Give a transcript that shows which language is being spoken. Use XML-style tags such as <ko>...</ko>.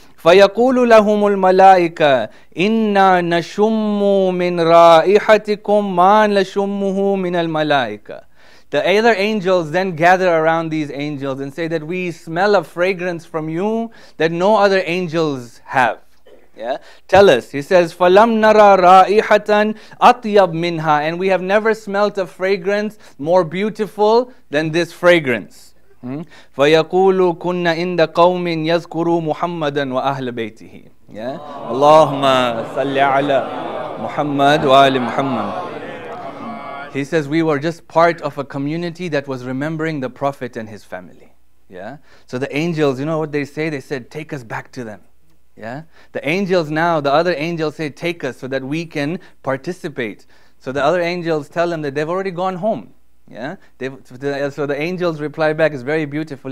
<ar>فَيَقُولُ لَهُمُ الْمَلَائِكَةُ إِنَّا نَشُمُّ مِنْ رَائِحَتِكُمْ مَا نَشُمُّهُ مِنَ الْمَلَائِكَةِ.</ar> <en>The other angels then gather around these angels and say that we smell a fragrance from you that no other angels have. Yeah, tell us. He says,</en> <ar>فَلَمْ نَرَى رَائِحَةً أَطْيَبْ مِنْهَا.</ar> <en>And we have never smelt a fragrance more beautiful than this fragrance.</en> <ar>فَيَقُولُ كُنَّ إِنْدَ قَوْمٍ يَذْكُرُوا مُحَمَّدًا وَأَهْلَ بَيْتِهِ. Yeah, اللَّهُمَّ صَلِّ عَلَى مُحَمَّدْ وَآلِ مُحَمَّدْ.</ar> <en>He says, we were just part of a community that was remembering the Prophet and his family. Yeah, so the angels, you know what they say? They said, take us back to them. Yeah, the angels now, the other angels say, take us so that we can participate. So the other angels tell them that they've already gone home. Yeah, so the angels reply back, it's very beautiful.</en>